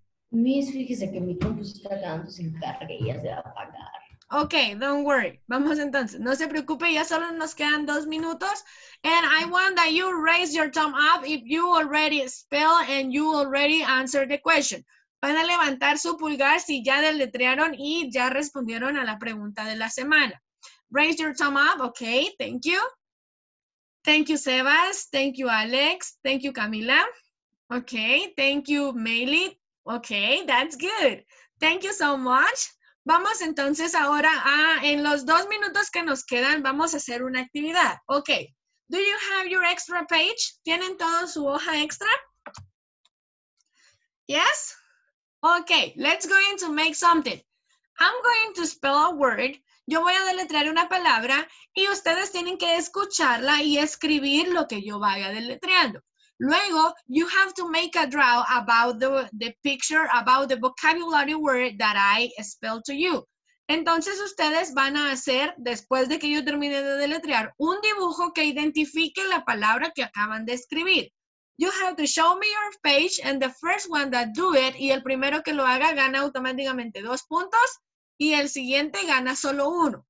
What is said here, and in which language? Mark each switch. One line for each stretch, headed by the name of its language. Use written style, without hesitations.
Spanish: Miss, fíjese que mi compu está quedando sin carga y ya se va a apagar.
English: Okay, don't worry.
Spanish: Vamos entonces. No se preocupe, ya solo nos quedan 2 minutos.
English: And I want that you raise your thumb up if you already spell and you already answered the question.
Spanish: Van a levantar su pulgar si ya deletrearon y ya respondieron a la pregunta de la semana.
English: Raise your thumb up. Okay, thank you. Thank you, Sebas. Thank you, Alex. Thank you, Camila. Okay, thank you, Meili. Okay, that's good. Thank you so much.
Spanish: Vamos entonces ahora a, en los 2 minutos que nos quedan, vamos a hacer una actividad.
English: Okay, do you have your extra page?
Spanish: ¿Tienen todo su hoja extra?
English: Yes? Okay, let's go in to make something. I'm going to spell a word.
Spanish: Yo voy a deletrear una palabra y ustedes tienen que escucharla y escribir lo que yo vaya deletreando.
English: Luego, you have to make a draw about the picture, about the vocabulary word that I spell to you.
Spanish: Entonces, ustedes van a hacer, después de que yo termine de deletrear, un dibujo que identifique la palabra que acaban de escribir.
English: You have to show me your page and the first one that do it,
Spanish: y el primero que lo haga gana automáticamente 2 puntos y el siguiente gana solo 1.